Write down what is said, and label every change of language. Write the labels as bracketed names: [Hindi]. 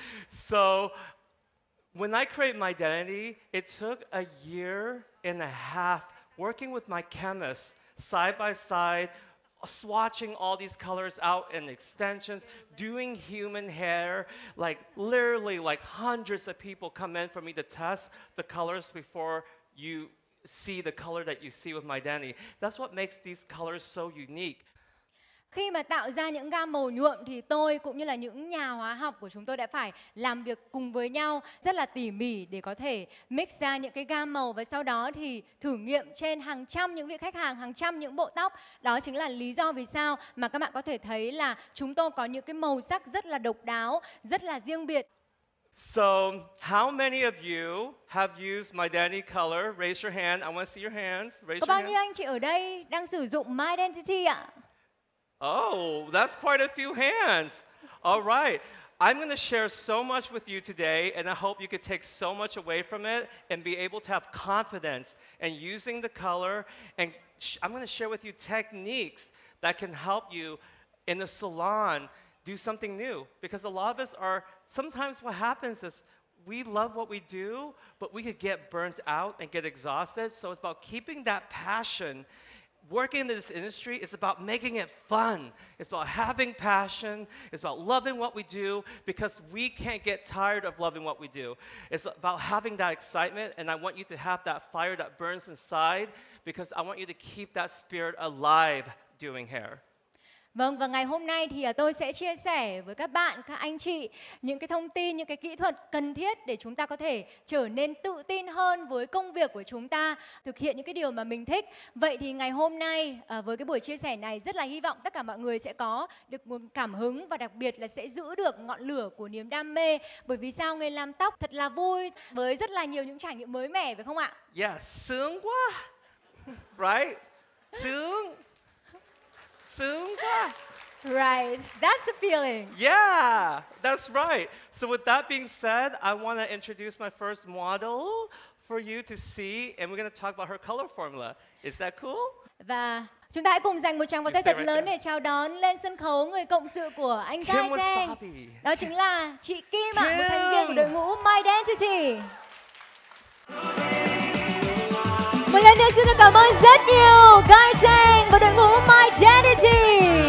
[English] So when I create my identity, it took a year and a half working with my chemist side by side, swatching all these colors out and extensions, doing human hair, like literally like hundreds of people come in for me to test the colors before you see the color that you see with my identity. That's what makes these colors so unique. [Vietnamese] Khi mà tạo ra những gam màu nhuộm thì tôi cũng như là những nhà hóa học của chúng tôi đã phải làm việc cùng với nhau rất là tỉ mỉ để có thể mix ra những cái gam màu và sau đó thì thử nghiệm trên hàng trăm những vị khách hàng, hàng trăm những bộ tóc. Đó chính là lý do vì sao mà các bạn có thể thấy là chúng tôi có những cái màu sắc rất là độc đáo, rất là riêng biệt. [English] So, how many of you have used my identity color? Raise your hand. I want to see your hands. Raise [Vietnamese] Có bao nhiêu anh chị ở đây đang sử dụng my identity ạ? [English] Oh, that's quite a few hands. All right. I'm going to share so much with you today, and I hope you could take so much away from it and be able to have confidence in using the color. And I'm going to share with you techniques that can help you in the salon do something new. Because a lot of us are, sometimes what happens is we love what we do, but we could get burnt out and get exhausted. So it's about keeping that passion. Working in this industry is about making it fun. It's about having passion. It's about loving what we do because we can't get tired of loving what we do. It's about having that excitement, and I want you to have that fire that burns inside because I want you to keep that spirit alive doing hair. [Vietnamese] Vâng, và ngày hôm nay thì tôi sẽ chia sẻ với các bạn, các anh chị những cái thông tin, những cái kỹ thuật cần thiết để chúng ta có thể trở nên tự tin hơn với công việc của chúng ta, thực hiện những cái điều mà mình thích. Vậy thì ngày hôm nay với cái buổi chia sẻ này, rất là hy vọng tất cả mọi người sẽ có được nguồn cảm hứng và đặc biệt là sẽ giữ được ngọn lửa của niềm đam mê. Bởi vì sao nghề làm tóc thật là vui với rất là nhiều những trải nghiệm mới mẻ, phải không ạ? Yeah, sướng quá. Right? Sướng. [English] Right, that's the feeling. Yeah, that's right. So with that being said, I want to introduce my first model for you to see, and we're going to talk about her color formula. Is that cool? [Vietnamese] Và chúng ta hãy cùng dành một tràng vỗ tay thật lớn để chào đón lên sân khấu người cộng sự của anh Guy Tang. Đó chính là chị Kim ạ, một thành viên của đội ngũ My Identity. Một lần nữa xin được cảm ơn rất nhiều Guy Tang và đội ngũ My Identity.